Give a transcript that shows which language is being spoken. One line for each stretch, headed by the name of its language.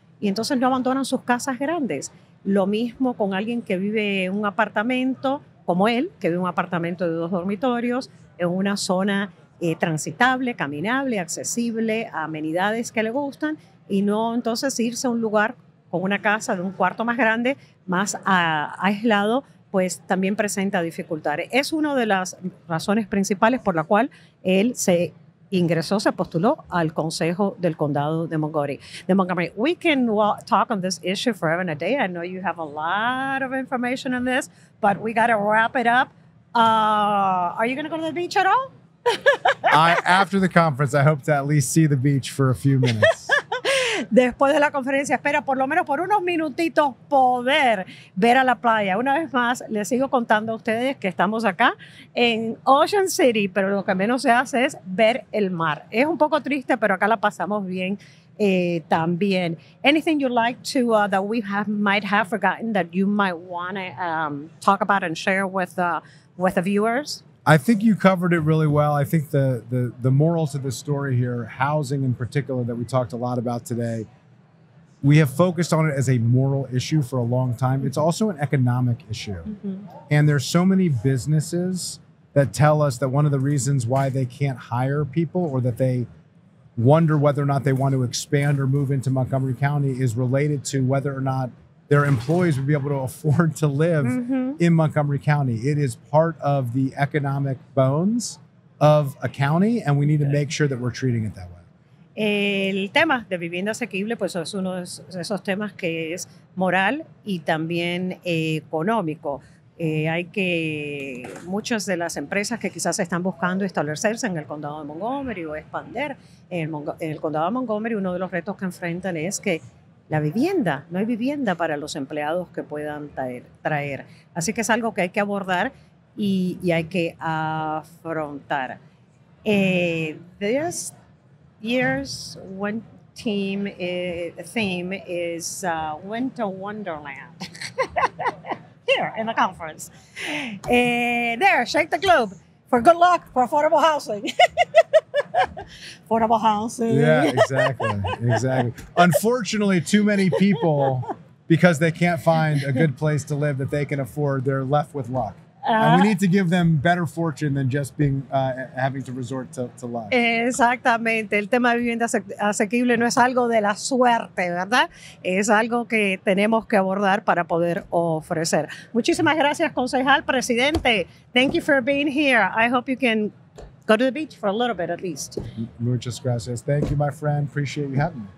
Spanish: Y entonces no abandonan sus casas grandes. Lo mismo con alguien que vive en un apartamento, como él, que vive en un apartamento de dos dormitorios, en una zona transitable, caminable, accesible, amenidades que le gustan, y no entonces irse a un lugar con una casa de un cuarto más grande, más aislado, pues también presenta dificultades. Es una de las razones principales por la cual él se ingresó, se postuló al Consejo del Condado de Montgomery.
English: We can talk on this issue forever and a day. I know you have a lot of information on this, but we got to wrap it up. Are you going to go to the beach at all? After the conference, I hope to at least see the beach for a few minutes.
Spanish: Después de la conferencia, espera por lo menos por unos minutitos poder ver a la playa. Una vez más, les sigo contando a ustedes que estamos acá en Ocean City, pero lo que menos se hace es ver el mar. Es un poco triste, pero acá la pasamos bien también.
English: Anything you'd like to that we have might have forgotten that you might want to talk about and share with the viewers? I think you covered it really well. I think the moral to the story here, housing in particular, that we talked a lot about today, We have focused on it as a moral issue for a long time. It's also an economic issue. Mm-hmm. And there's so many businesses that tell us that one of the reasons why they can't hire people or that they wonder whether or not they want to expand or move into Montgomery County is related to whether or not their employees would be able to afford to live mm-hmm. in Montgomery County. It is part of the economic bones of a county, and we need to make sure that we're treating it that way.
Spanish: El tema de vivienda asequible, pues es uno de esos temas que es moral y también económico. Hay que, muchas de las empresas que quizás están buscando establecerse en el condado de Montgomery o expandir en el condado de Montgomery, uno de los retos que enfrentan es que la vivienda, no hay vivienda para los empleados que puedan traer. Así que es algo que hay que abordar y hay que afrontar.
English: This year's theme is Winter Wonderland. Here in the conference. There, shake the globe. For good luck for affordable housing. Affordable housing. Yeah, exactly. Exactly. Unfortunately, too many people, because they can't find a good place to live that they can afford, they're left with luck. And we need to give them better fortune than just being having to resort to luck.
Spanish: Exactamente. El tema de vivienda asequible no es algo de la suerte, ¿verdad? Es algo que tenemos que abordar para poder ofrecer. Muchísimas gracias,
English: concejal, presidente. Thank you for being here. I hope you can go to the beach for a little bit at least.
Spanish: Muchas gracias.
English: Thank you, my friend. Appreciate you having me.